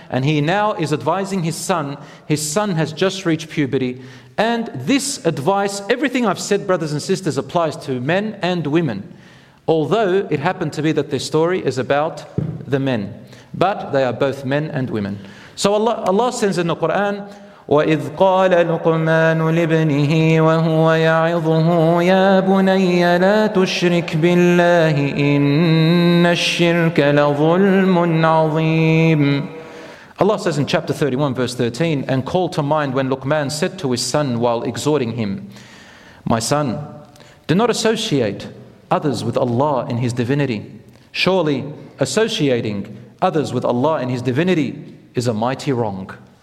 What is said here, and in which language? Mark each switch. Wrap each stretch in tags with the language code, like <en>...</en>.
<en>And he now is advising his son. His son has just reached puberty. And this advice, everything I've said, brothers and sisters, applies to men and women. Although it happened to be that this story is about the men. But they are both men and women. So Allah sends in the Quran,</en> <ar>وَإِذْ قَالَ لُقْمَانُ لِبْنِهِ وَهُوَ يَعِظُهُ يَا بُنَيَّ لَا تُشْرِكْ بِاللَّهِ إِنَّ الشِّرْكَ لَظُلْمٌ عَظِيمٌ.</ar> <en>Allah says in chapter 31, verse 13, and call to mind when Luqman said to his son while exhorting him, my son, do not associate others with Allah in His divinity. Surely associating others with Allah in His divinity is a mighty wrong.</en>